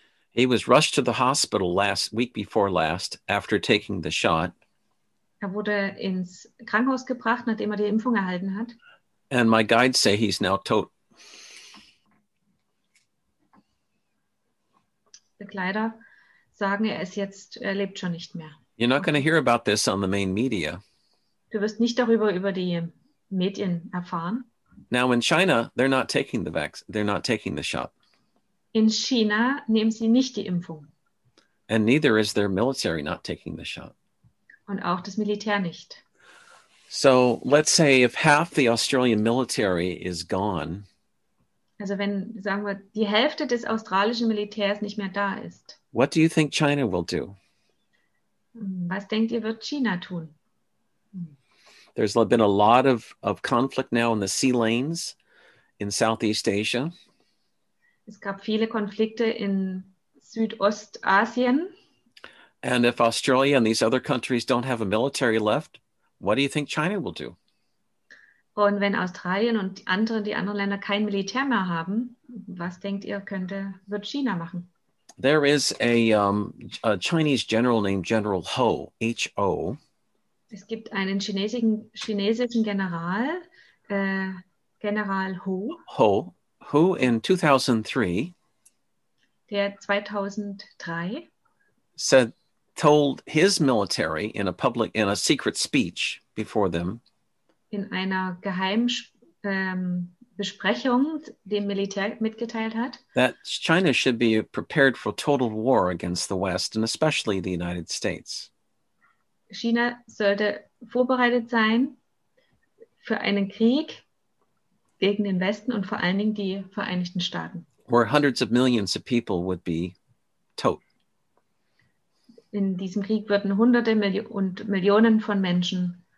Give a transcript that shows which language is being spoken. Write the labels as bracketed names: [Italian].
[English] He was rushed to the hospital last week before last after taking the shot. [German] Er wurde ins Krankenhaus gebracht, nachdem er die Impfung erhalten hat. [English] And my guides say he's now [German] tot. Begleiter sagen, er ist jetzt, er lebt schon nicht mehr. [English] You're not going to hear about this on the main media. [German] Du wirst nicht darüber über die Medien erfahren. [English] Now in China, they're not taking the vaccine, they're not taking the shot. [German] In China nehmen sie nicht die Impfung. [English] And neither is their military not taking the shot. [German] Und auch das Militär nicht. [English] So let's say if half the Australian military is gone. [German] Also wenn, sagen wir, die Hälfte des australischen Militärs nicht mehr da ist. [English] What do you think China will do? [German] Was denkt ihr, wird China tun? [English] There's been a lot of conflict now in the sea lanes in Southeast Asia. [German] Es gab viele Konflikte in Südostasien. [English] And if Australia and these other countries don't have a military left, what do you think China will do? [German] Und wenn Australien und die anderen Länder kein Militär mehr haben, was denkt ihr, wird China machen? [English] There is a Chinese general named General Ho, H-O. [German] Es gibt einen chinesischen General, General Ho. [English] Ho. Who in 2003, [German] der 2003 [English] told his military in a public, in a secret speech before them, [German] in einer geheimen Besprechung dem Militär mitgeteilt hat, [English] that China should be prepared for total war against the West and especially the United States. [German] China sollte vorbereitet sein für einen Krieg gegen den Westen und vor allen Dingen die Vereinigten Staaten. [English] Where hundreds of millions of people would be [German] tot. In diesem Krieg würden Hunderte und Millionen von Menschen